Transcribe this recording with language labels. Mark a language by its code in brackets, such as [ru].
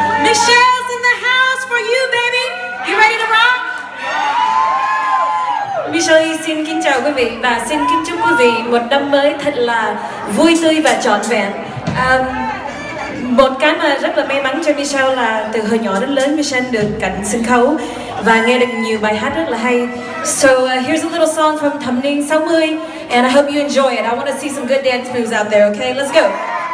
[en] Michelle's in the house for you, baby. You ready to rock? [vi] Michelle, xin kính chào quý vị và xin kính chúc quý vị một năm mới thật là vui tươi và trọn vẹn. Một cái mà rất là may mắn cho Michelle là từ hồi nhỏ đến lớn Michelle được cảnh sân khấu và nghe được nhiều bài hát rất là hay. [en] So here's a little song from Thẩm Ninh 60, and I hope you enjoy it. I want to see some good dance moves out there. Okay, let's go.